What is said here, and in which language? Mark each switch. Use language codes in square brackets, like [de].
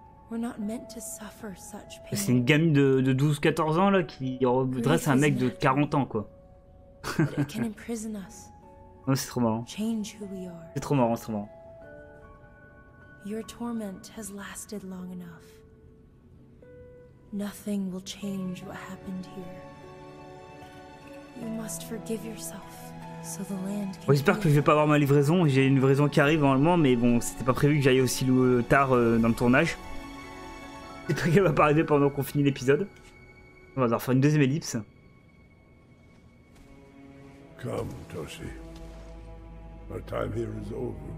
[en] We're not meant to suffer such pain. [fr] C'est une gamine de 12-14 ans là qui redresse un mec de 40 ans quoi. [en] It can imprison us. [fr] Oh, c'est trop marrant. [en] Change who we are. [fr] C'est trop marrant, c'est trop marrant. [en] Your torment has lasted long enough. Nothing will change what happened here. You must forgive yourself so the land can. [fr] J'espère que je vais pas avoir ma livraison. J'ai une livraison qui arrive normalement, mais bon, c'était pas prévu que j'aille aussi tard dans le tournage. J'espère qu'elle va pas arriver pendant qu'on finit l'épisode. On va devoir faire une deuxième ellipse. [en] Come, Toshi. Our time here is over.